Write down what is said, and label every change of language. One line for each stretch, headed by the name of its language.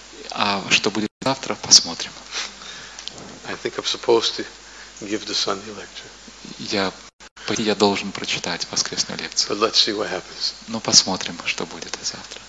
Russian: А что будет завтра, посмотрим.
English: I think I'm supposed to give the Sunday lecture.
Russian: Я должен прочитать воскресную лекцию.
English: But let's see what happens.
Russian: Но посмотрим, что будет завтра.